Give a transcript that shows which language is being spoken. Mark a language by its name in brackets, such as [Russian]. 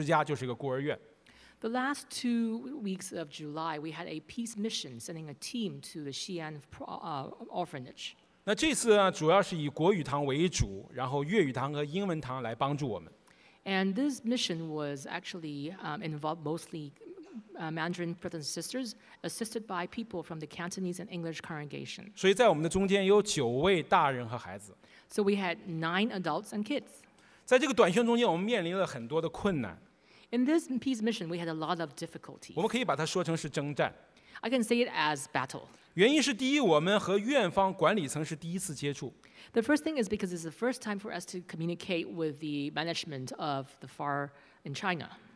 [Chinese] 今年七月的最后两周，我们有一个短宣团队到了西安的一个儿童之家，就是一个孤儿院。 [English] The last 2 weeks of July, we had a peace mission sending a team to the Xi'an orphanage. [Chinese] 那这次呢，主要是以国语堂为主，然后粤语堂和英文堂来帮助我们。 [English] And this mission was actually involved mostly Mandarin brothers and sisters, assisted by people from the Cantonese and English congregation. [Chinese] 所以在我们的中间有九位大人和孩子。 [English] So we had 9 adults and kids. [Chinese] 在这个短宣中间，我们面临了很多的困难。 [English] In this peace mission, we had a lot of difficulties. [Chinese] 我们可以把它说成是征战。 [English] I can say it as battle. [Chinese] 原因是第一，我们和院方管理层是第一次接触。 [English] The first thing is because it's the first time for us to communicate with the management of the FAR in China.